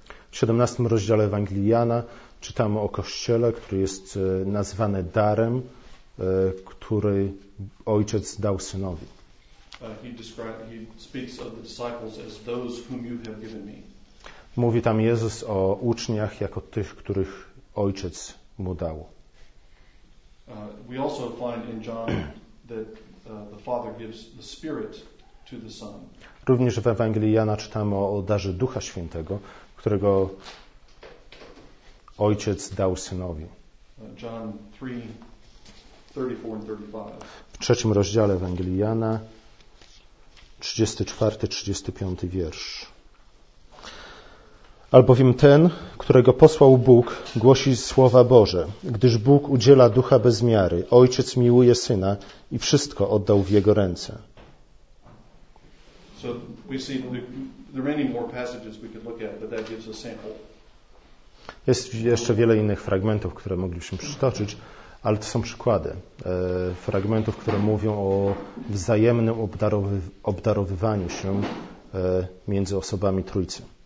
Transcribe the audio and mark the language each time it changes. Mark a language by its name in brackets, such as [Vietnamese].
[Polish] W 17 rozdziale Ewangelii Jana czytamy o Kościele, który jest nazwany darem, który Ojciec dał Synowi. [English] He speaks of the disciples as those whom you have given me. [Polish] Mówi tam Jezus o uczniach jako tych, których Ojciec mu dał. [English] We also find in John that the Father gives the Spirit to the Son. [Polish] Również w Ewangelii Jana czytamy o darze Ducha Świętego, którego Ojciec dał Synowi. [English] John 3:34-35. [Polish] W trzecim rozdziale Ewangelii Jana 34-35 wiersz. Albowiem ten, którego posłał Bóg, głosi słowa Boże, gdyż Bóg udziela ducha bez miary. Ojciec miłuje Syna i wszystko oddał w Jego ręce. [English] So we see there are many more passages we could look at, but that gives a sample. [Polish] Jest jeszcze wiele innych fragmentów, które moglibyśmy przytoczyć, ale to są przykłady fragmentów, które mówią o wzajemnym obdarowywaniu się między osobami Trójcy.